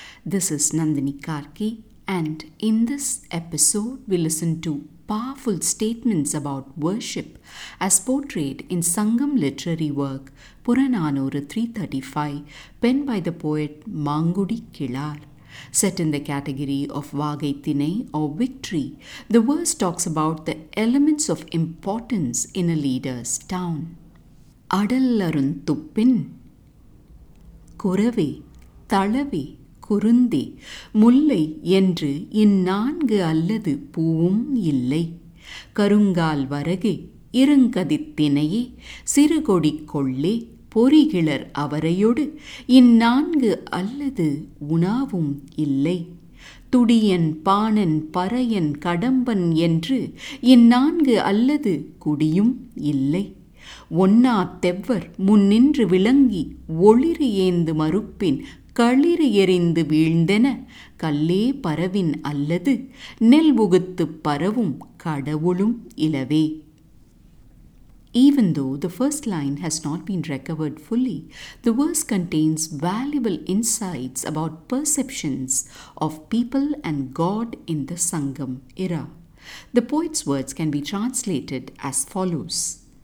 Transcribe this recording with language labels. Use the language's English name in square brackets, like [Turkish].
[English] This is Nandini Karki, and in this episode we listen to powerful statements about worship as portrayed in Sangam literary work Puranaanooru 335, penned by the poet Mangudi Kizhaar. Set in the category of Vaagai Thinai or Victory, the verse talks about the elements of importance in a leader's town. [Tamil] அடல்லருந் துப்பின் குறவே தளவே குருந்தே முல்லை என்று இந்நான்கு அல்லது பூவும் இல்லை கருங்கால் வரகே இருங்கதித்தினையே சிறுகொடி கொள்ளே பொறிகிளர் அவரையொடு இந்நான்கு அல்லது உணாவும் இல்லை துடியன் பாணன் பறையன் கடம்பன் என்று இந்நான்கு அல்லது குடியும் இல்லை ஒன்னா தெவ்வர் முன்னின்று விளங்கி ஒளிரு ஏந்து மறுப்பின் களிறு எறிந்து வீழ்ந்தென கல்லே பரவின் அல்லது நெல் உகுத்து பரவும் கடவுளும் இலவே. [English] Even though the first line has not been recovered fully, the verse contains valuable insights about perceptions of people and God in the Sangam era. The poet's words can be translated as follows.